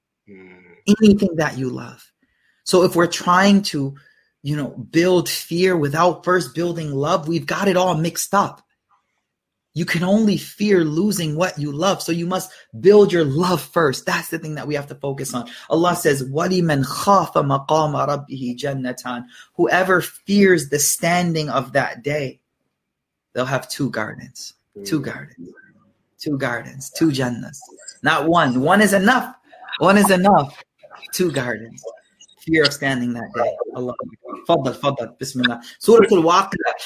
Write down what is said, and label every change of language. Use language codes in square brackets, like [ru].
[en] Anything that you love. So if we're trying to, you know, build fear without first building love, we've got it all mixed up. You can only fear losing what you love. So you must build your love first. That's the thing that we have to focus on. Allah says, [ar] وَلِمَنْ خَافَ مَقَامَ رَبِّهِ جَنَّتَانِ. [en] Whoever fears the standing of that day, they'll have two gardens. Two gardens. Two gardens. Two jannas. Not one. One is enough. One is enough. Two gardens. Fear of standing that day. Allah. Fadal, fadal. Bismillah. Surah Al-Waqi'ah.